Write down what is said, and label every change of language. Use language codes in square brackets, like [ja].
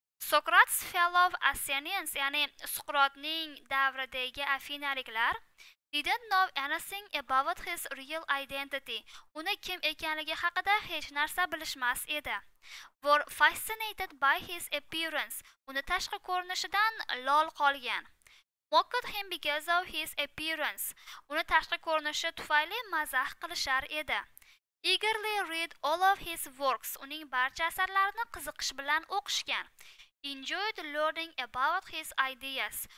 [en] Socrates fellow of Athenians, [uz] ya'ni Suqrotning davridagi afinaliklar, [en] didn't know anything about his real identity. [uz] Uni kim ekanligi haqida hech narsa bilishmas edi. [en] Were fascinated by his appearance. [uz] Uni tashqi ko'rinishidan lol qolgan. [en] Mocked him because of his appearance. [uz] Uni tashqi ko'rinishi tufayli mazah qilishar edi. [en] Eagerly read all of his works. [uz] Uning barcha asarlarini qiziqish bilan o'qishgan. [en] Enjoyed learning about his ideas.